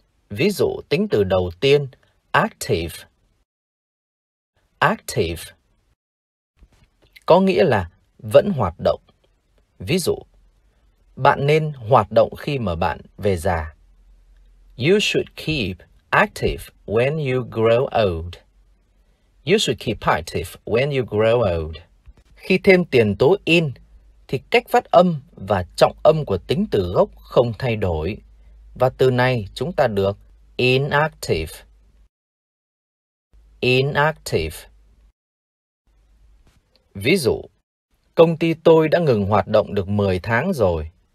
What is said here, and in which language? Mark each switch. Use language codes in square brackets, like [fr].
[vi] Ví dụ tính từ đầu tiên, active. Active có nghĩa là vẫn hoạt động. Ví dụ, bạn nên hoạt động khi mà bạn về già. [en] You should keep active when you grow old. You should keep active when you grow old. [vi] Khi thêm tiền tố in, thì cách phát âm và trọng âm của tính từ gốc không thay đổi. Và từ này chúng ta được inactive. [en] Inactive. [vi] Ví dụ, công ty tôi đã ngừng hoạt động được 10 tháng rồi.